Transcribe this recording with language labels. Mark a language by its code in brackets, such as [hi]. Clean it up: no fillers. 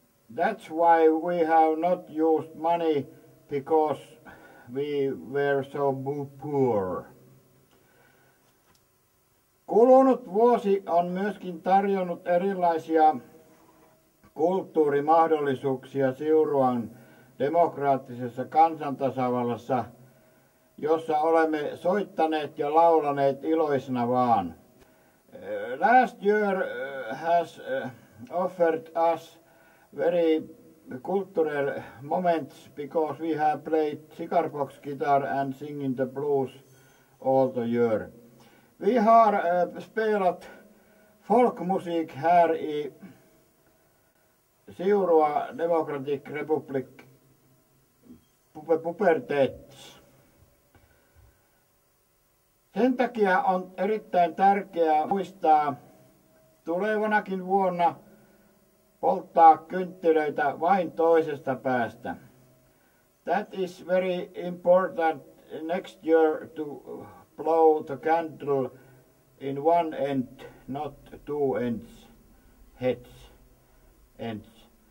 [en] That's why we have not used money, because we were so poor. [fi] Kulunut vuosi on myöskin tarjonnut erilaisia kulttuurimahdollisuuksia Siuruan demokraattisessa kansantasavallassa, jossa olemme soittaneet ja laulaneet iloisena vaan. [en] Last year has offered us very cultural moments, because we have played cigar box guitar and singing the blues all the year. [sv] Vi har spelat folkmusik här i Siurua Democratic Republic Pubertets. [fi] Sen takia on erittäin tärkeää muistaa tulevanakin vuonna polttaa kynttilöitä vain toisesta päästä. [en] That is very important next year to blow the candle in one end, not two ends, heads, ends.